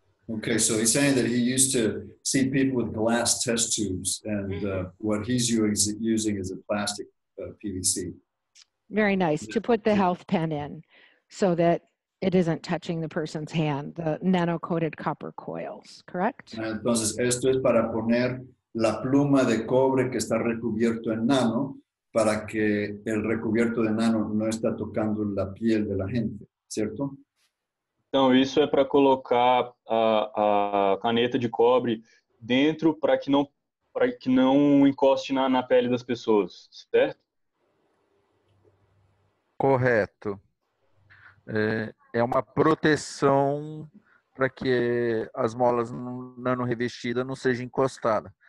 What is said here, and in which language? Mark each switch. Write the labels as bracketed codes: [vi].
[en] Okay, so he's saying that he used to see people with glass test tubes, and what he's using is a plastic PVC. Very nice, to put the health pen in so that it isn't touching the person's hand, the nano-coated copper coils, correct? [es] Entonces, esto es para poner la pluma de cobre que está recubierto en nano, para que el recubierto de nano no está tocando la piel de la gente, ¿cierto? [pt] Então, isso é para colocar a caneta de cobre dentro para que não encoste na pele das pessoas, certo? Correto. É uma proteção para que as molas nano revestidas não sejam encostadas.